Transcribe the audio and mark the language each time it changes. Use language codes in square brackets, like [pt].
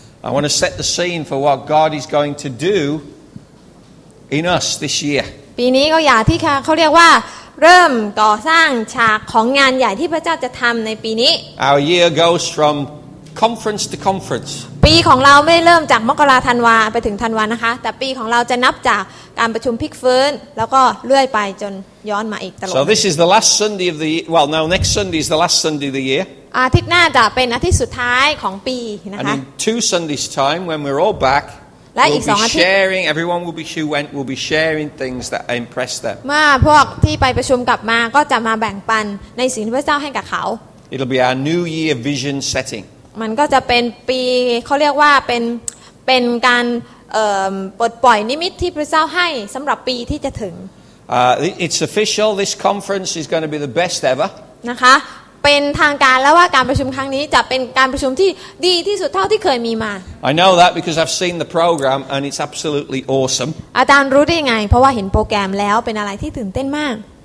[en] I want to set the scene for what God is going to do in us this year. [th] ปีนี้ก็อยากที่เขาเรียกว่าเริ่มก่อสร้างฉากของงานใหญ่ที่พระเจ้าจะทำในปีนี้ [en] Our year goes from conference to conference. [th] ปีของเราไม่เริ่มจากมกราธันวาไปถึงธันวานะคะแต่ปีของเราจะนับจากการประชุมพลิกฟื้นแล้วก็เลื่อยไปจนย้อนมาอีกตลอด [en] So this is the last Sunday of the year. Well, no, next Sunday is the last Sunday of the year. [th] อาทิตย์หน้าจะเป็นอาทิตย์สุดท้ายของปีนะคะ [en] And in two Sundays time when we're all back [th] และอีก2อาทิตย์ [en] sharing everyone will be who went will be sharing things that impressed them [th] มาพวกที่ไปประชุมกลับมาก็จะมาแบ่งปันในสิ่งที่พระเจ้าให้กับเขา [en] It'll be our new year vision setting [th] มันก็จะเป็นปีเขาเรียกว่าเป็นการปลดปล่อยนิมิตที่พระเจ้าให้สำหรับปีที่จะถึง [en] It's official this conference is going to be the best ever [th] นะคะเป็นทางการแล้วว่าการประชุมครั้งนี้จะเป็นการประชุมที่ดีที่สุดเท่าที่เคยมีมา [en] I know that because I've seen the program and it's absolutely awesome [th] อาจารย์รู้ได้ยังไงเพราะว่าเห็นโปรแกรมแล้วเป็นอะไรที่ตื่นเต้นมาก